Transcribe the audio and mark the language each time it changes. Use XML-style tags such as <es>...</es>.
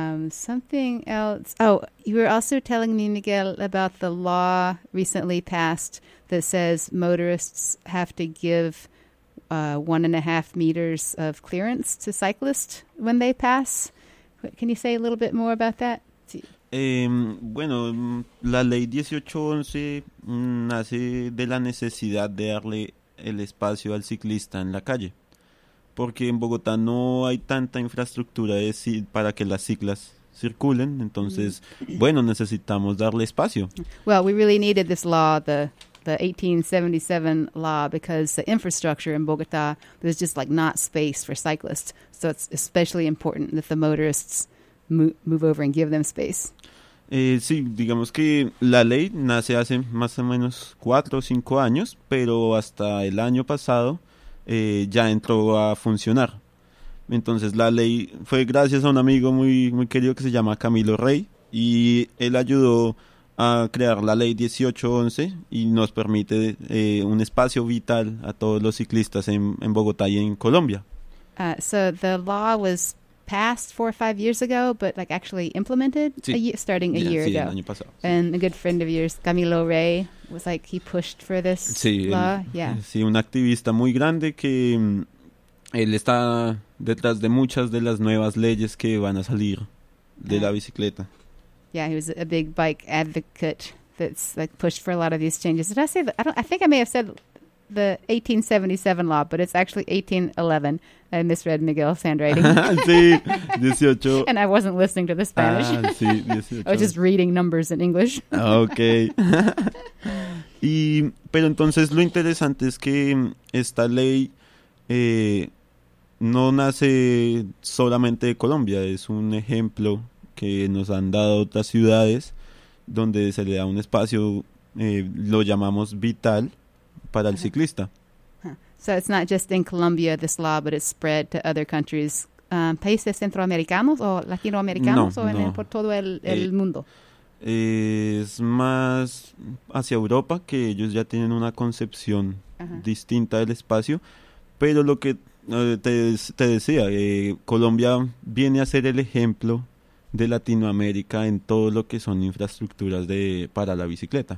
<en>Something else. Oh, you were also telling me, Miguel, about the law recently passed that says motorists have to give 1.5 meters of clearance to cyclists when they pass. Can you say a little bit more about that?</en> <es>Bueno, la ley 1811 nace de la necesidad de darle el espacio al ciclista en la calle, porque en Bogotá no hay tanta infraestructura para que las ciclas circulen, entonces, bueno, necesitamos darle espacio.</es> <en>Well, we really needed this law, the 1877 law, because the infrastructure in Bogotá, there's just like not space for cyclists, so it's especially important that the motorists move over and give them space.</en> <es>Sí, digamos que la ley nace hace más o menos 4 o 5 años, pero hasta el año pasado ya entró a funcionar. Entonces la ley fue gracias a un amigo muy, muy querido que se llama Camilo Rey, y él ayudó a crear la ley 1811 y nos permite un espacio vital a todos los ciclistas en Bogotá y en Colombia.</es> <en>So the law was passed 4 or 5 years ago, but like actually implemented starting a year ago.</en> <es>El año pasado, sí.</es> <en>And a good friend of yours, Camilo Rey, was like, he pushed for this law.</en> <es>Sí, un activista muy grande que él está detrás de muchas de las nuevas leyes que van a salir de la bicicleta.</es> <en>Yeah, he was a big bike advocate that's like pushed for a lot of these changes. Did I say that? I think I may have said the 1877 law, but it's actually 1811. I misread Miguel's handwriting.</en> <es>Sí, 18.</es> <en>And I wasn't listening to the Spanish.</en> <es>Ah, sí, 18.</es> <en>I was just reading numbers in English. Okay.</en> <es>Y, pero entonces lo interesante es que esta ley no nace solamente de Colombia. Es un ejemplo que nos han dado otras ciudades donde se le da un espacio, lo llamamos vital, para el ciclista.</es> <en>So it's not just in Colombia, this law, but it's spread to other countries.</en> <es>¿Países centroamericanos o latinoamericanos por todo el mundo? Es más hacia Europa, que ellos ya tienen una concepción distinta del espacio. Pero lo que te decía, Colombia viene a ser el ejemplo de Latinoamérica en todo lo que son infraestructuras para la bicicleta.</es>